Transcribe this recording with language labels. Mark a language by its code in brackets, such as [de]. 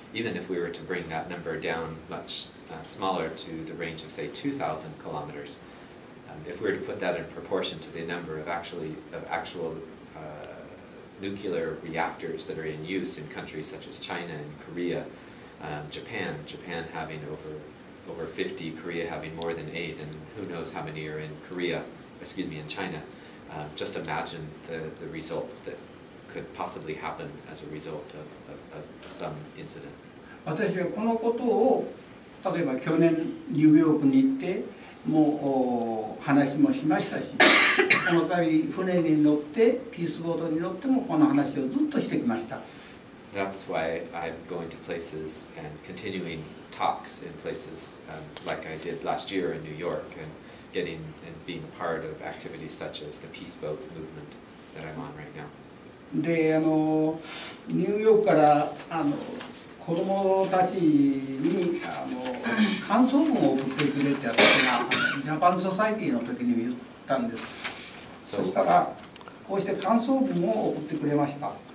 [en] Even if we were to bring that number down much smaller to the range of, say, 2,000 kilometers, if we were to put that in proportion to the number of actual nuclear reactors that are in use in countries such as China and Korea, Japan having over 50, Korea having more than 8, and who knows how many are in China, Just imagine the results that could possibly happen as a result of some incident. [ja] 私はこのことを例えば去年ニューヨークに行ってもう話もしましたし、この度船に乗ってピースボードに乗ってもこの話をずっとしてきました。 [en] That's why I'm going to places and continuing talks in places like I did last year in New York and getting and being a part of activities such as the peace boat movement that I'm on right now. [ja] で、ニューヨークから子どもたちに感想文を送ってくれって私がジャパンソサイティの時に言ったんです。 So, そしたらこうして感想文を送ってくれました。